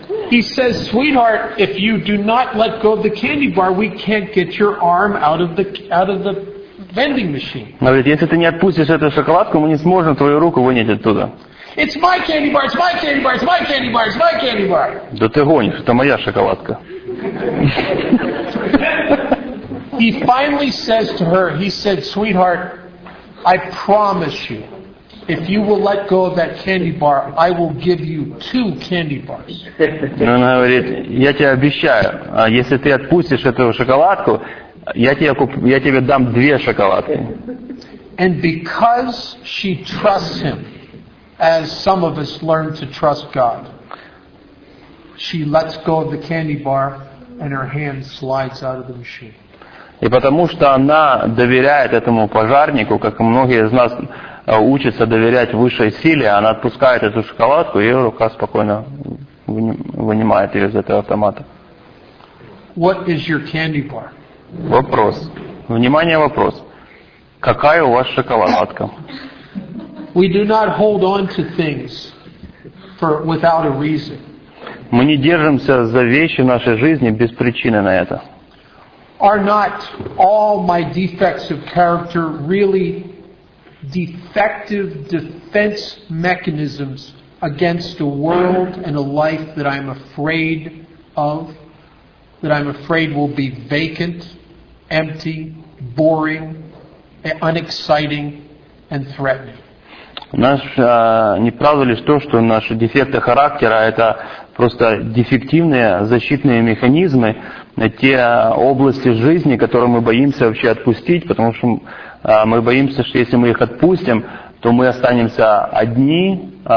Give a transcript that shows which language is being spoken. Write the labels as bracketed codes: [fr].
[en] He says, "Sweetheart, if you do not let go of the candy bar, we can't get your arm out of the vending machine." [ru] Она говорит, если ты не отпустишь эту шоколадку, мы не сможем твою руку вынять оттуда. [en] It's my candy bar, it's my candy bar, it's my candy bar, it's my candy bar. [ru] Да ты гонишь, это моя шоколадка. [en] He finally says to her, he said, "Sweetheart, I promise you, if you will let go of that candy bar, I will give you two candy bars." [ru] Ну, она говорит, я тебе обещаю, если ты отпустишь эту шоколадку, я тебе дам две шоколадки. [en] And because she trusts him, as some of us learn to trust God, she lets go of the candy bar and her hand slides out of the machine. [ru] И потому что она доверяет этому пожарнику, как и многие из нас учатся доверять высшей силе, она отпускает эту шоколадку, и ее рука спокойно вынимает ее из этого автомата. [en] What is your candy bar? [ru] Вопрос. Внимание, вопрос. Какая у вас шоколадка? [en] We do not hold on to things for, without a reason. [ru] Мы не держимся за вещи в нашей жизни без причины на это. [en] Are not all my defects of character really defective defense mechanisms against a world and a life that I'm afraid of, that I'm afraid will be vacant, empty, boring, unexciting, and threatening? [ru] Не правда ли то, что наши дефекты характера — это просто дефективные защитные механизмы, те области жизни, которые мы боимся вообще отпустить, потому что мы боимся, что если мы их отпустим, то мы останемся одни,